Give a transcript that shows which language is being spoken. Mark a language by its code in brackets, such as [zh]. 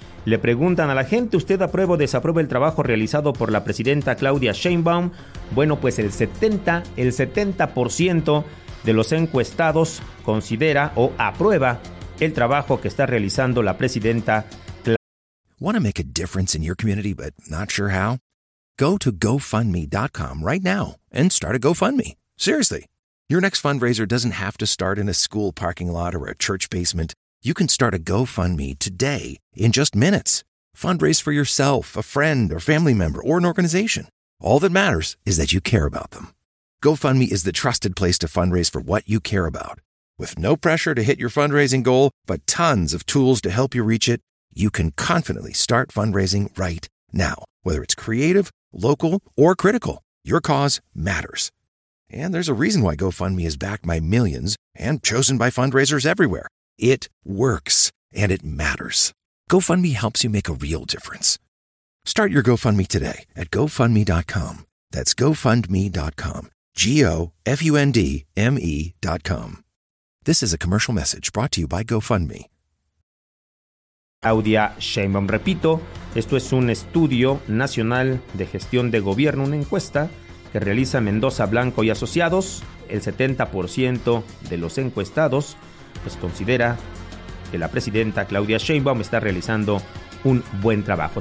[es] Le preguntan a la gente, ¿usted aprueba o desaprueba el trabajo realizado por la presidenta Claudia Sheinbaum? Bueno, pues el 70% de los encuestados considera o aprueba el trabajo que está realizando la presidenta Claudia. [en] Want to make a difference in your community but not sure how? Go to GoFundMe.com right now and start a GoFundMe. Seriously, your next fundraiser doesn't have to start in a school parking lot or a church basement. You can start a GoFundMe today in just minutes. Fundraise for yourself, a friend, or family member, or an organization. All that matters is that you care about them. GoFundMe is the trusted place to fundraise for what you care about. With no pressure to hit your fundraising goal, but tons of tools to help you reach it, you can confidently start fundraising right now. Whether it's creative, local, or critical, your cause matters. And there's a reason why GoFundMe is backed by millions and chosen by fundraisers everywhere. It works, and it matters. GoFundMe helps you make a real difference. Start your GoFundMe today at GoFundMe.com. That's GoFundMe.com. GoFundMe.com. This is a commercial message brought to you by GoFundMe. [es] Claudia Sheinbaum, repito, esto es un estudio nacional de gestión de gobierno, una encuesta que realiza Mendoza Blanco y Asociados. El 70% de los encuestados pues considera que la presidenta Claudia Sheinbaum está realizando un buen trabajo.